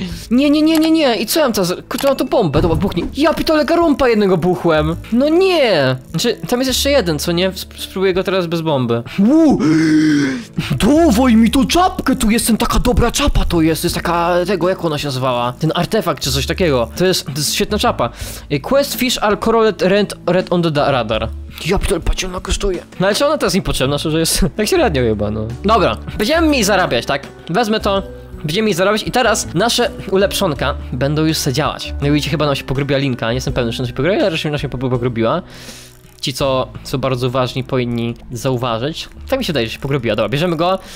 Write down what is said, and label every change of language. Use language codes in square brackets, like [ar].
[pl] Nie. I co ja mam teraz? Kurczę, mam tu bombę. Dobra, buchnij. Ja pitole Garumpa jednego buchłem. No nie! Znaczy, tam jest jeszcze jeden, co nie? Spróbuję go teraz bez bomby. Dawaj mi tą czapkę, tu jestem taka dobra czapa, to jest taka tego, jak ona się nazywała? Ten artefakt czy coś takiego. To jest świetna czapa. [en] Quest fish are coralled red on the radar. [pl] Ja pitole, patrz, ona kosztuje. No ale czy ona teraz niepotrzebna, szczerze jest? Tak średnio chyba, no. Dobra, będziemy mi zarabiać, tak? Wezmę to. Będziemy jej zarobić i teraz nasze ulepszonka będą już se działać. No widzicie, chyba nam się pogrubiła linka, nie jestem pewny, czy nam się pogrubiła, ale raczej nam się pogrubiła. Ci, co bardzo ważni, powinni zauważyć. Tak mi się wydaje, że się pogrubiła. Dobra, bierzemy go.